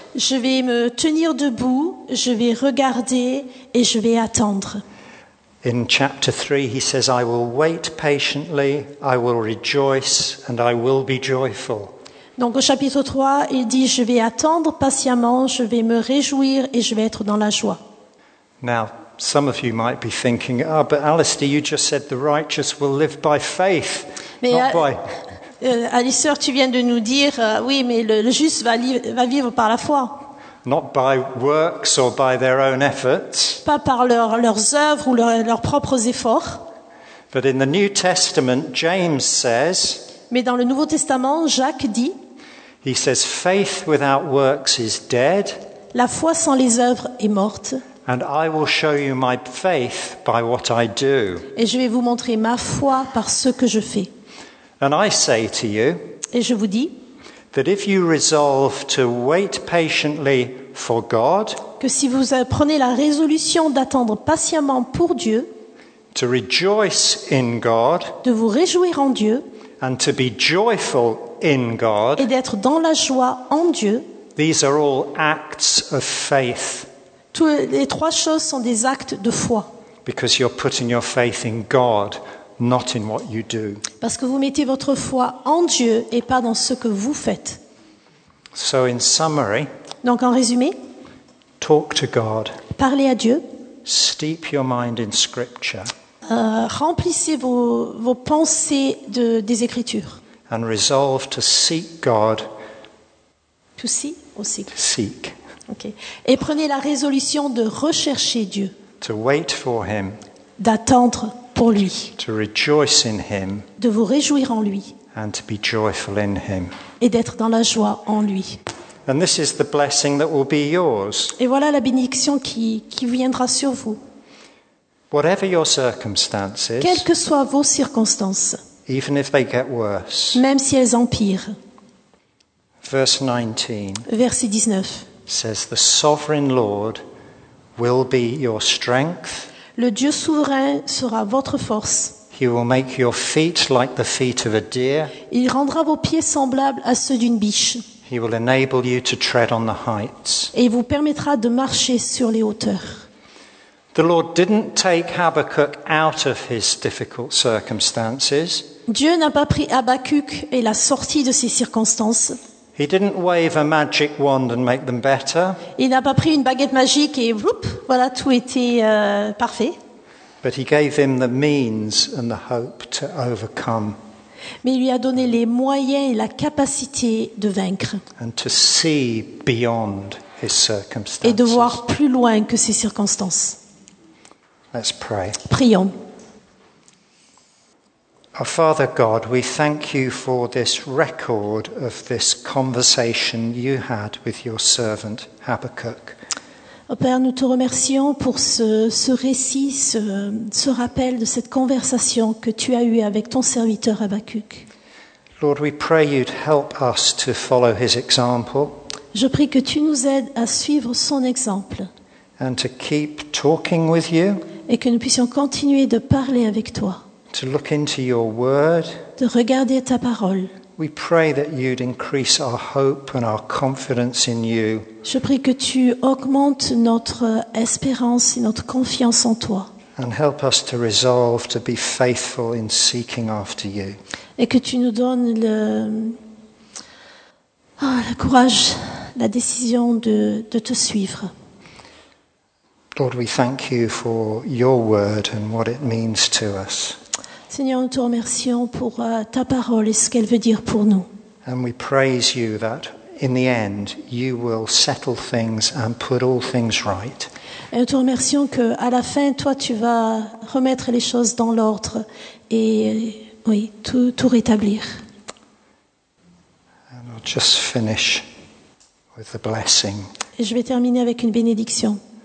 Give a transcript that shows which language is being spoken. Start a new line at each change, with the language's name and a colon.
French: Je vais me tenir debout, je vais regarder et je vais attendre.
English: In chapter 3 he says I will wait patiently, I will rejoice and I will be joyful.
French: Donc au chapitre 3, il dit je vais attendre patiemment, je vais me réjouir et je vais être dans la joie.
English: Now, some of you might be thinking, "Ah, oh, but Alistair, you just said the righteous will live by faith,
French: mais
English: not by."
French: Alistair, tu viens de nous dire, oui, mais le juste va vivre par la foi.
English: Not by works or by their own efforts.
French: Pas par leurs œuvres ou leurs propres efforts.
English: But in the New Testament, James says.
French: Mais dans le Nouveau Testament, Jacques dit.
English: He says, "Faith without works is dead."
French: La foi sans les œuvres est morte.
English: And I will show you my faith by what I do.
French: Et je vais vous montrer ma foi par ce que je fais.
English: And I say to you.
French: Et je vous dis.
English: That if you resolve to wait patiently for God.
French: Que si vous prenez la résolution d'attendre patiemment pour Dieu.
English: To rejoice in God.
French: De vous réjouir en Dieu.
English: And to be joyful in God.
French: Et d'être dans la joie en Dieu.
English: These are all acts of faith.
French: Les trois choses sont des actes de foi.
English: Because you're putting your faith in God, not in what you do.
French: Parce que vous mettez votre foi en Dieu et pas dans ce que vous faites.
English: So in summary,
French: donc en résumé,
English: talk to God.
French: Parlez à Dieu.
English: Steep your mind in scripture.
French: Remplissez vos pensées des Écritures.
English: And resolve to seek God. To see or seek. Seek.
French: Okay. Et prenez la résolution de rechercher Dieu.
English: To wait for him.
French: D'attendre pour lui.
English: To rejoice in him.
French: De vous réjouir en lui.
English: And to be joyful in him.
French: Et d'être dans la joie en lui.
English: And this is the blessing that will be yours.
French: Et voilà la bénédiction qui viendra sur vous.
English: Whatever your circumstances.
French: Quelles que soient vos circonstances.
English: Even if they get worse.
French: Même si elles empirent.
English: Verse 19.
French: Verset 19.
English: Says the sovereign Lord will be your strength.
French: Le Dieu souverain sera votre force.
English: He will make your feet like the feet of a deer.
French: Il rendra vos pieds semblables à ceux d'une biche.
English: He will enable you to tread on the heights.
French: Et il vous permettra de marcher sur les hauteurs.
English: The Lord didn't take Habakkuk out of his difficult circumstances.
French: Dieu n'a pas pris Habakkuk et l'a sorti de ses circonstances.
English: He didn't wave a magic wand and make them better.
French: Il n'a pas pris une baguette magique et whoop, voilà, tout était parfait.
English: But he gave him the means and the hope to overcome.
French: Mais il lui a donné les moyens et la capacité de vaincre.
English: And to see beyond his circumstances.
French: Et de voir plus loin que ses circonstances.
English: Let's pray.
French: Prions.
English: Our Father God, we thank you for this record of this conversation you had with your servant Habakkuk.
French: Oh Père, nous te remercions pour ce récit, ce rappel de cette conversation que tu as eue avec ton serviteur Habakkuk.
English: Lord, we pray you'd help us to follow his example.
French: Je prie que tu nous aides à suivre son exemple.
English: And to keep talking with you.
French: Et que nous puissions continuer de parler avec toi.
English: To look into your word.
French: De regarder ta parole.
English: We pray that you'd increase our hope and our confidence in you.
French: Je prie que tu augmentes notre espérance et notre confiance en toi.
English: And help us to resolve to be faithful in seeking after you.
French: Et que tu nous donnes le courage, la décision de te suivre.
English: Lord, we thank you for your word and what it means to us.
French: Seigneur, nous te remercions pour ta parole et ce qu'elle veut dire pour nous.
English: And we praise you that in the end you will settle things and put all things right.
French: Et nous te remercions que à la fin toi tu vas remettre les choses dans l'ordre et oui, tout rétablir.
English: And I'll just finish with a blessing.
French: Et je vais terminer avec une bénédiction.